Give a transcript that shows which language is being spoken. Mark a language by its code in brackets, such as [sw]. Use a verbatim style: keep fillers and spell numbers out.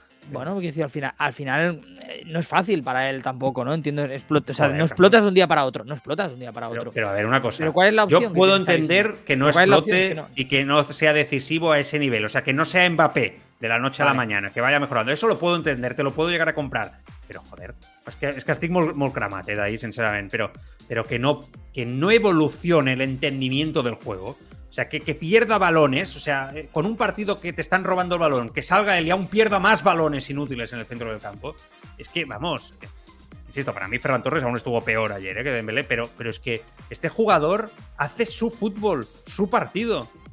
[es] Bueno, quiero decir, al final, al final eh, no es fácil para él tampoco, ¿no? Entiendo, explota, o sea, ver, no explotas de un día para otro, no explotas de un día para pero, otro. Pero a ver, una cosa. ¿Pero cuál es la opción yo puedo entender que no explote que no? Y que no sea decisivo a ese nivel, o sea, que no sea Mbappé. De la noche vale. a la mañana, que vaya mejorando. Eso lo puedo entender, te lo puedo llegar a comprar. Pero, joder, [ca] és que, és que estic molt, molt cremat, eh, d'ahí, sincerament. [es] Pero, pero que, no, que no evolucione el entendimiento del juego. O sea, que, que pierda balones. O sea, con un partido que te están robando el balón, que salga él y aún pierda más balones inútiles en el centro del campo. Es que, vamos, eh, insisto, para mí Ferran Torres aún estuvo peor ayer eh, que Dembélé, pero, pero es que este jugador hace su fútbol, su partido.